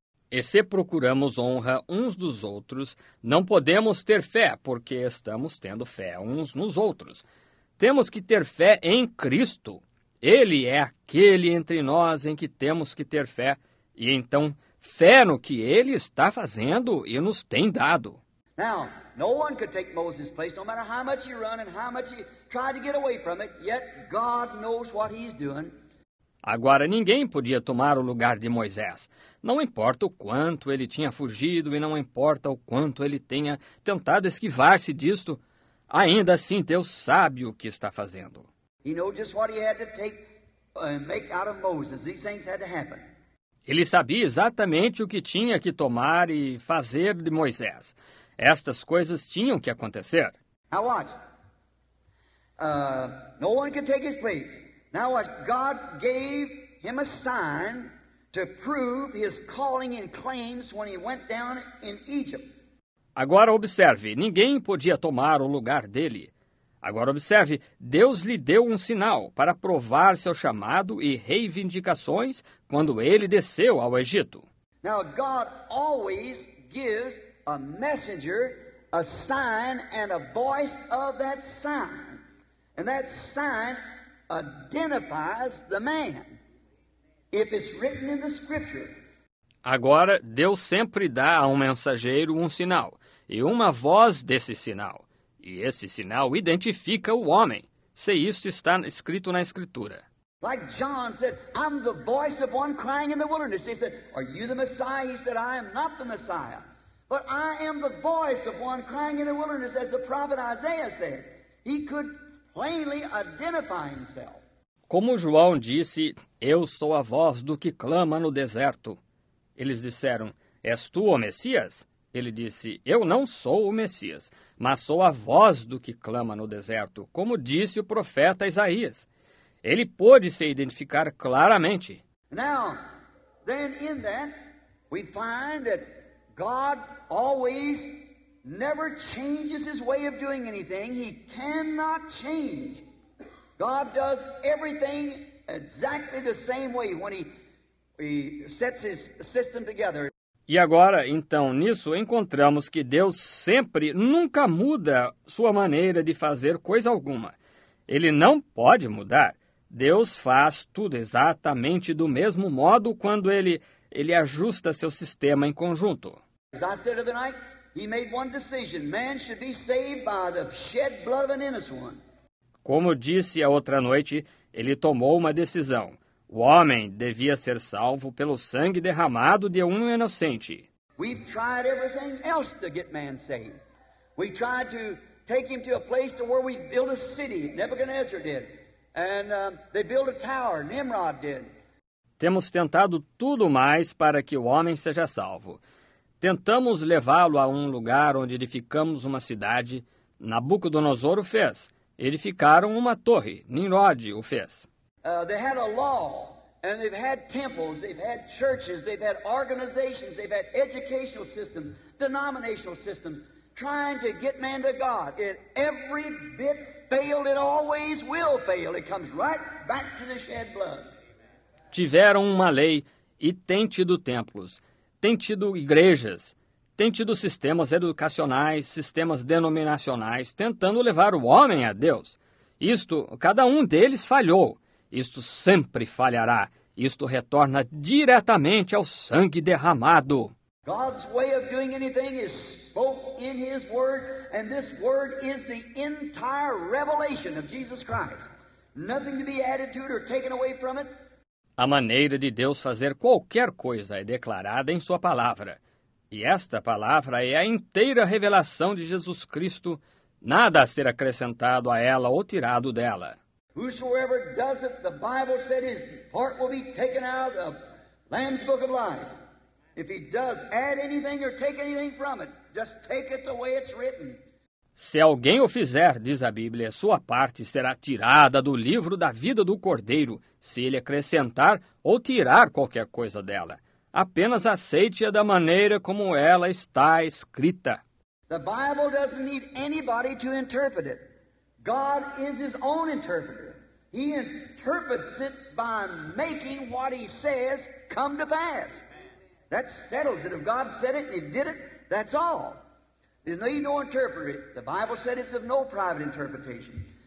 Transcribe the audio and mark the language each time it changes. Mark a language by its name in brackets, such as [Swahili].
[Portuguese] E se procuramos honra uns dos outros, não podemos ter fé, porque estamos tendo fé uns nos outros. Temos que ter fé em Cristo. Ele é aquele entre nós em que temos que ter fé, e então fé no que ele está fazendo e nos tem dado. [English] Now, no one could take Moses' place, no matter how much you run and how much you try to get away from it, yet God knows what he's doing. [Portuguese] Agora, ninguém podia tomar o lugar de Moisés. Não importa o quanto ele tinha fugido e não importa o quanto ele tenha tentado esquivar-se disto, ainda assim Deus sabe o que está fazendo. [English] He knew just what he had to take and make out of Moses. These things had to happen. [Portuguese] Ele sabia exatamente o que tinha que tomar e fazer de Moisés. Estas coisas tinham que acontecer. [English] Now watch. No one could take his place. Now watch. God gave him a sign to prove his calling and claims when he went down in Egypt. [Portuguese] Agora observe. Ninguém podia tomar o lugar dele. Agora observe, Deus lhe deu um sinal para provar seu chamado e reivindicações quando ele desceu ao Egito. [English] Now God always gives a messenger, a sign and a voice of that sign. And that sign identifies the man. If it's written in the scripture. [Portuguese] Agora Deus sempre dá a um mensageiro um sinal e uma voz desse sinal. E esse sinal identifica o homem, se isto está escrito na Escritura. [English] Like John said, I'm the voice of one crying in the wilderness. He said, are you the Messiah? He said, I am not the Messiah. But I am the voice of one crying in the wilderness, as the prophet Isaiah said. He could plainly identify himself. [Portuguese] Como João disse, eu sou a voz do que clama no deserto. Eles disseram, és tu o Messias? Ele disse, eu não sou o Messias, mas sou a voz do que clama no deserto, como disse o profeta Isaías. Ele pôde se identificar claramente. [English] Now, then in that, we find that God always never changes his way of doing anything. He cannot change. God does everything exactly the same way when he sets his system together. [Portuguese] E agora, então, nisso, encontramos que Deus sempre, nunca muda sua maneira de fazer coisa alguma. Ele não pode mudar. Deus faz tudo exatamente do mesmo modo quando ele ajusta seu sistema em conjunto. [English] As I said the night, He made one decision. Man should be saved by the shed blood of an innocent one. [Portuguese] Como disse a outra noite, ele tomou uma decisão. O homem devia ser salvo pelo sangue derramado de um inocente. [English] We've tried everything else to get man saved. We tried to take him to a place where we built a city. Nebuchadnezzar did. And they built a tower. Nimrod did. [Portuguese] Temos tentado tudo mais para que o homem seja salvo. Tentamos levá-lo a um lugar onde edificamos uma cidade. Nabucodonosor o fez. Edificaram uma torre. Nimrod o fez. [English] They had a law, and they've had temples, they've had churches, they've had organizations, they've had educational systems, denominational systems, trying to get man to God. It every bit failed, it always will fail. It comes right back to the shed blood. [Portuguese] Tiveram uma lei e têm tido templos, têm tido igrejas, têm tido sistemas educacionais, sistemas denominacionais, tentando levar o homem a Deus. Isto, cada um deles falhou. Isto sempre falhará. Isto retorna diretamente ao sangue derramado. [English] God's way of doing anything is spoke in His Word, and this Word is the entire revelation of Jesus Christ. Nothing to be added to it or taken away from it. [Portuguese] A maneira de Deus fazer qualquer coisa é declarada em Sua palavra. E esta palavra é a inteira revelação de Jesus Cristo, nada a ser acrescentado a ela ou tirado dela. [English] Whosoever does it, the Bible said his part will be taken out of the Lamb's Book of Life. If he does add anything or take anything from it, just take it the way it's written. [Portuguese] Se alguém o fizer, diz a Bíblia, sua parte será tirada do livro da vida do Cordeiro, se ele acrescentar ou tirar qualquer coisa dela. Apenas aceite-a da maneira como ela está escrita. [English] The Bible doesn't need anybody to interpret it. God is his own interpreter. He interprets it by making what he says come to pass. That settles it. If God said it and he did it, that's all. There's no need to interpret it. The Bible said it's of no private interpretation.